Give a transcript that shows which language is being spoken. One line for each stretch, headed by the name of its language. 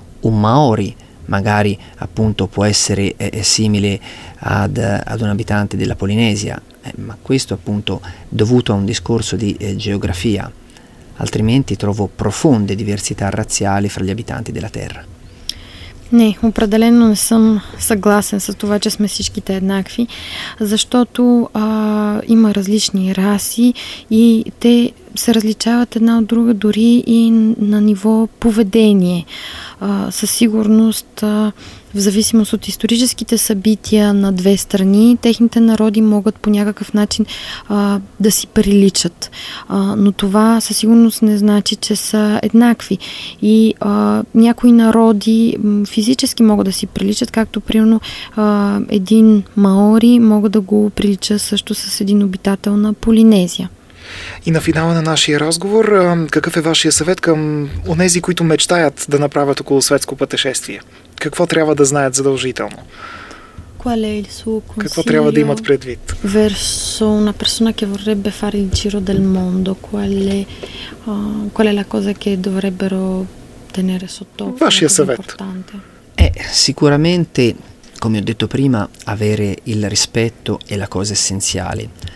Italian: Un Maori magari appunto può essere simile ad un abitante della Polinesia, ma questo appunto dovuto a un discorso di geografia, altrimenti trovo profonde diversità razziali fra gli abitanti della terra.
Bulgarian: Не, определено не съм съгласен с това, че сме всичките еднакви, защото има различни раси и те се различават една от друга дори и на ниво поведение. Със сигурност, в зависимост от историческите събития на две страни, техните народи могат по някакъв начин да си приличат. Но това със сигурност не значи, че са еднакви. И някои народи физически могат да си приличат, както примерно един маори мога да го прилича също с един обитател на Полинезия. И на финала на нашия разговор, какъв е вашия съвет към онези, които мечтаят да направят околосветско пътешествие? Какво трябва да знаят задължително?
Italian: qual è il suo consiglio?
Bulgarian: Какво трябва да имат предвид?
Italian: Verso una persona che vorrebbe fare il giro del mondo, qual è la cosa che dovrebbero tenere sotto occhio?
Bulgarian: Vascia savetta.
Italian: Sicuramente, come ho detto prima, avere il rispetto è la cosa essenziale.